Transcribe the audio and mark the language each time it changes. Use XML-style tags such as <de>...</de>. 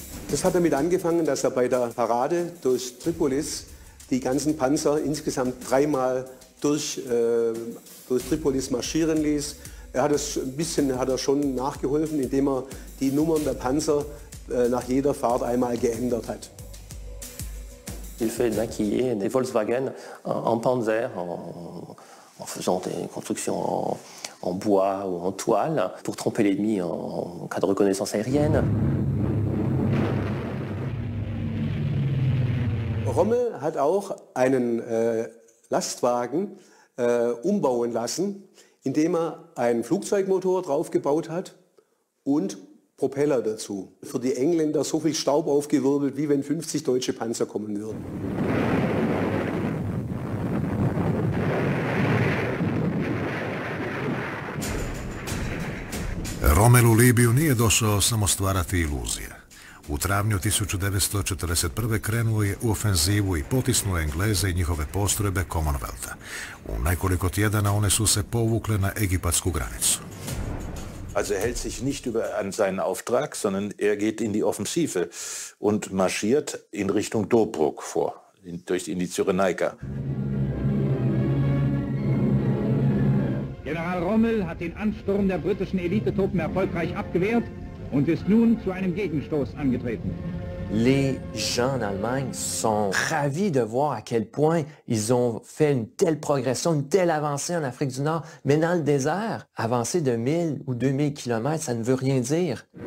<de>Das hat damit angefangen, dass bei der Parade durch Tripolis die ganzen Panzer insgesamt dreimal durch Tripolis marschieren ließ. Hat er schon nachgeholfen, indem er die Nummern der Panzer nach jeder Fahrt einmal geändert hat.</de> <fr>Il fait maquiller des Volkswagen en Panzer en faisant des constructions en bois ou en toile pour tromper l'ennemi en cas de reconnaissance aérienne.</fr> <de>Rommel hat auch einen Lastwagen umbauen lassen, indem er einen Flugzeugmotor draufgebaut hat und Propeller dazu. Für die Engländer so viel Staub aufgewirbelt, wie wenn 50 deutsche Panzer kommen würden.</de> <hr>Rommel u Libiju nije došao samo stvarati iluzije. U travnju 1941. krenuo je u ofenzivu i potisnuo Engleze i njihove postrojbe Commonwealtha. U nekoliko tjedana one su se povukle na egipatsku granicu.</hr> <de>Also er hält sich nicht über an seinen Auftrag, sondern er geht in die Offensive und marschiert in Richtung Tobruk vor, in die Cyrenaika. General Rommel hat den Ansturm der britischen Elitetruppen erfolgreich abgewehrt und ist nun zu einem Gegenstoß angetreten.</de> <fr>Les gens d'Allemagne sont ravis de voir à quel point ils ont fait une telle progression, une telle avancée en Afrique du Nord. Mais dans le désert, avancer de 1000 ou 2000 kilomètres, ça ne veut rien dire.</fr>